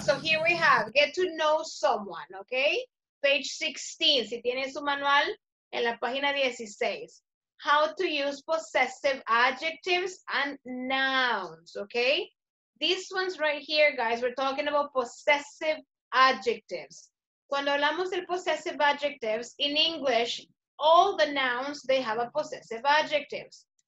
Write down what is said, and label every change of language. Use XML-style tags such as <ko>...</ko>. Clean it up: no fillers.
<en>So here we have get to know someone, okay? Page 16,</en> <es>si tiene su manual, en la página 16.</es> <en>How to use possessive adjectives and nouns, okay? These ones right here, guys, we're talking about possessive adjectives.</en> <es>Cuando hablamos del</es> <en>possessive adjectives, in English, all the nouns, they have a possessive adjectives.</en>